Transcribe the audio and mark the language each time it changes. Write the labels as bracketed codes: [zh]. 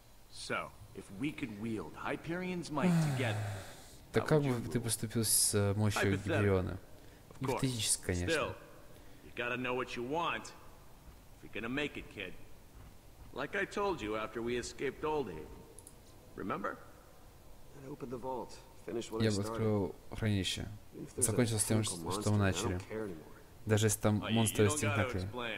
[en] So, if we could wield Hyperion's might together, [ru] так как бы ты поступил с мощью Гипериона? Гипотетически, конечно. [en] Still, you gotta know what you want. Gonna make it, kid. Like I told you after we escaped Oldhaven. Remember? I'd open the vault, finish what I started. [ru] Я открыл хранилище. Закончил с тем, что мы начали. Даже если там монстры стихнули.